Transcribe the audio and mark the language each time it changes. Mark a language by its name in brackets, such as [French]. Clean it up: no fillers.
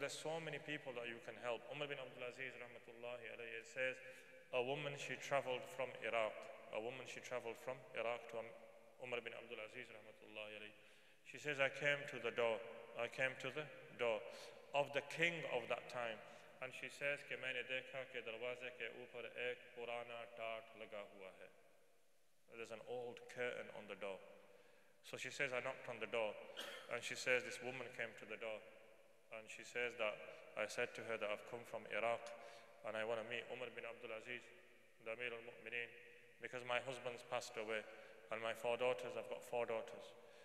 [English] There's so many people that you can help. Umar bin Abdul Aziz, rahmatullahi alayhi, it says, a woman traveled from Iraq to Umar bin Abdul Aziz, rahmatullahi alayhi. She says, I came to the door of the king of that time. And she says, [Urdu] کہ میں نے دیکھا کہ دروازے کے اوپر ایک پرانا ٹاٹ لگا ہوا ہے۔ [English] There's an old curtain on the door. So she says, I knocked on the door. And she says, this woman came to the door. And she says that, I said to her that I've come from Iraq and I want to meet Umar bin Abdul Aziz, the Amir al-Mu'mineen, because my husband's passed away and my four daughters, I've got four daughters.